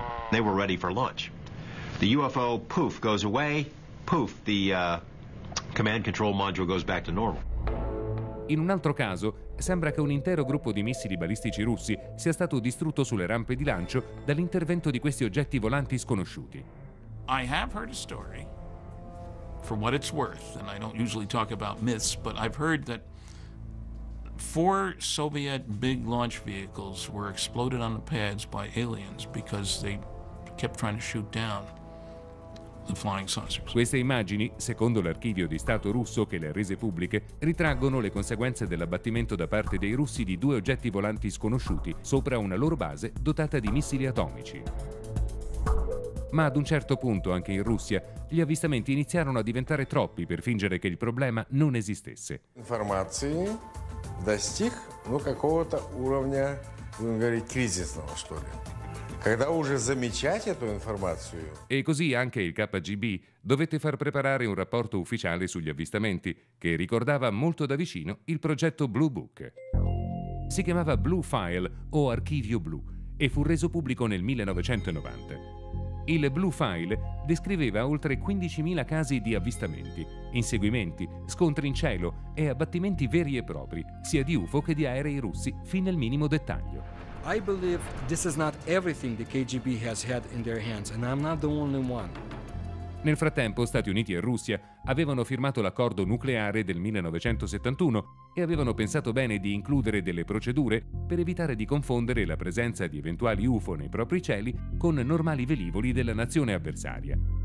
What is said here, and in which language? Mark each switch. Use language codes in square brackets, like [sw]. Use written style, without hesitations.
[en] They were ready for launch. The UFO poof goes away. Poof, the command control module goes back to normal. [it] In un altro caso, sembra che un intero gruppo di missili balistici russi sia stato distrutto sulle rampe di lancio dall'intervento di questi oggetti volanti sconosciuti. [en] I have heard a story, for what it's worth, and I don't usually talk about myths, but I've heard that four Soviet big launch vehicles were exploded on the pads by aliens because they kept trying to shoot down the flying saucers. [it] Queste immagini, secondo l'archivio di Stato russo che le ha rese pubbliche, ritraggono le conseguenze dell'abbattimento da parte dei russi di due oggetti volanti sconosciuti sopra una loro base dotata di missili atomici. Ma ad un certo punto, anche in Russia, gli avvistamenti iniziarono a diventare troppi per fingere che il problema non esistesse. [ru] Informazioni достиг ну какого-то уровня, будем говорить, кризисного, что ли. Когда уже замечать эту информацию. [it] E così anche il KGB dovette far preparare un rapporto ufficiale sugli avvistamenti che ricordava molto da vicino il progetto Blue Book. Si chiamava Blue File o Archivio Blu e fu reso pubblico nel 1990. Il Blue File descriveva oltre 15.000 casi di avvistamenti, inseguimenti, scontri in cielo e abbattimenti veri e propri, sia di UFO che di aerei russi, fin nel minimo dettaglio. [en] I believe this is not everything the KGB has had in their hands, and I'm not the only one. [it] Nel frattempo, Stati Uniti e Russia avevano firmato l'accordo nucleare del 1971 e avevano pensato bene di includere delle procedure per evitare di confondere la presenza di eventuali UFO nei propri cieli con normali velivoli della nazione avversaria.